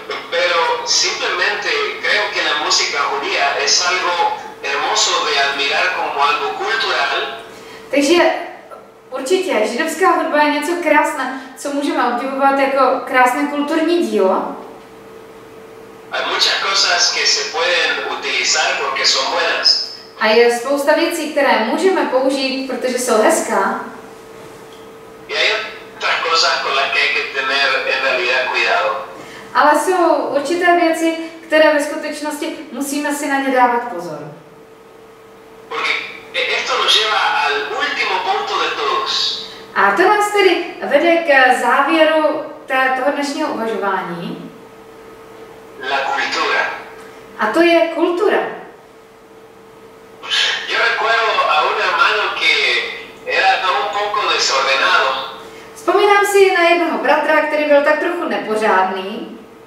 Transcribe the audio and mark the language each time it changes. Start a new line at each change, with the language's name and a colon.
Spanish: Pero simplemente creo que la música judía es algo hermoso de admirar como algo cultural.
Czech: Takže určitě židovská hudba je něco krásné, co můžeme obdivovat jako krásné kulturní dílo.
Spanish: Hay muchas cosas que se pueden utilizar porque son buenas.
Czech: A je spousta věcí, které můžeme použít, protože jsou hezká.
Spanish: Y hay otras cosas con las que hay que tener en realidad cuidado.
Czech: Ale jsou určité věci, které ve skutečnosti musíme si na ně dávat pozor.
Spanish: Porque esto nos lleva al último punto de todos.
Czech: A to nás tedy vede k závěru toho dnešního uvažování.
Spanish: La cultura.
Czech: A to je kultura.
Spanish: Yo recuerdo a un hermano que era un poco desordenado.
Czech: Vzpomínám si na jednoho bratra, který byl tak trochu nepořádný.